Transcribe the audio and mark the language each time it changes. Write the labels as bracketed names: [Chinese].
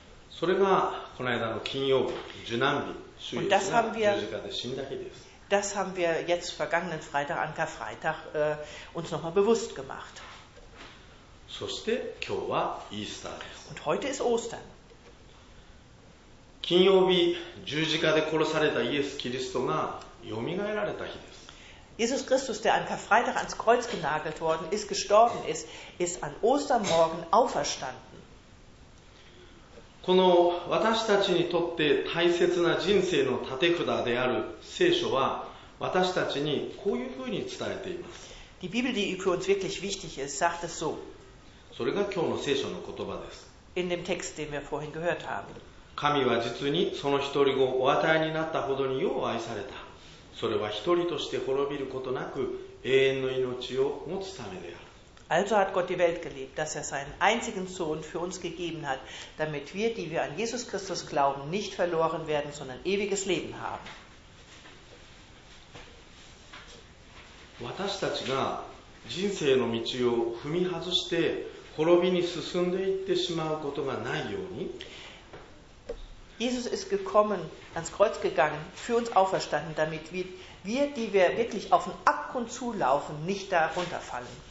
[Japanese] それがこの間の金曜日、受難日、主イエスが十字架で死んだ日です。 [German] Das haben wir jetzt vergangenen Freitag, an Karfreitag, uns nochmal bewusst gemacht. [Japanese] そして今日はイースターです。 [German] Und heute ist Ostern. [Japanese] 金曜日、十字架で殺されたイエス・キリストが蘇られた日です。 [German] Jesus Christus, der an Karfreitag ans Kreuz genagelt worden ist, gestorben ist, ist an Ostermorgen auferstanden. [Japanese] この私たちにとって大切な人生の立て札である聖書は、私たちにこういうふうに伝えています。 [German] Die Bibel, die für uns wirklich wichtig ist, sagt es so. [Japanese] それが今日の聖書の言葉です。 [German] In dem Text, den wir vorhin gehört haben. [Japanese] 神は実にその一人をお与えになったほどによう愛された。それは一人として滅びることなく永遠の命を持つためである。 [German] Also hat Gott die Welt geliebt, dass seinen einzigen Sohn für uns gegeben hat, damit wir, die wir an Jesus Christus glauben, nicht verloren werden, sondern ewiges Leben haben. [Japanese] 私たちが人生の道を踏み外して滅びに進んでいってしまうことがないように、 [German] Jesus ist gekommen, ans Kreuz gegangen, für uns auferstanden, damit wir, die wir wirklich auf den Abgrund zulaufen, nicht da runterfallen.